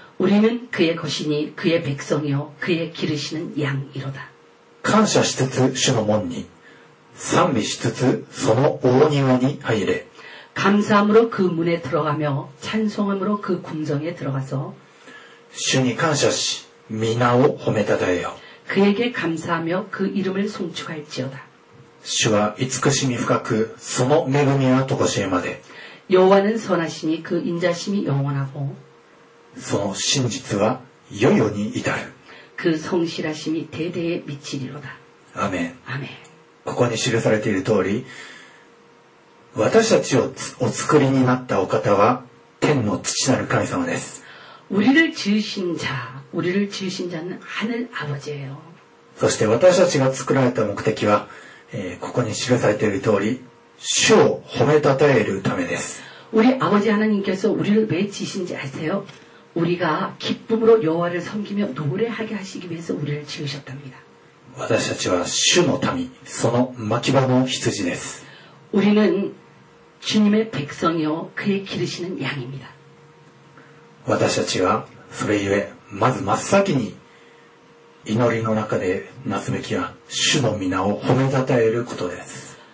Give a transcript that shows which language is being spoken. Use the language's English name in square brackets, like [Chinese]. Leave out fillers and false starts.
[Korean] 우리는그의것이니그의백성이요그의기르시는양이로다。 [Japanese] 感謝しつつ主の門に、賛美しつつその大庭に入れ。 [Korean] 감사함으로그문에들어가며찬송함으로그궁정에들어가서。 [Japanese] 主に感謝し皆を褒めたたえよ。 [Korean] 그에게감사하며그이름을송축할지어다。 [Japanese] 主は慈しみ深くその恵みはとこしえまで。 [Korean] 여호와는선하시니그인자심이영원하고。 [Japanese] その真実は世々に至る。 [Korean] 그성실하심이대대에미치리로다。 [Japanese] アメン。アメン。ここに記されている通り、私たちをお作りになったお方は天の父なる神様です。 [Korean] 우리를지으신자、우리를지으신자는하늘아버지예요。 [Japanese] そして私たちが作られた目的は、ここに記されている通り、主を褒めたたえるためです。 [Korean] 우리아버지하나님께서우리를왜지으신지아세요？ 우리가기쁨으로여호와를섬기며노래하게하시기위해서우리를지으셨답니다。 [Japanese] 私たちは主の民、その牧場の羊です。 [Korean] 우리는주님의백성이요그의기르시는양입니다。 [Japanese] 私たちはそれゆえまず真っ先に祈りの中でなすべきは主の皆を褒めたたえることです。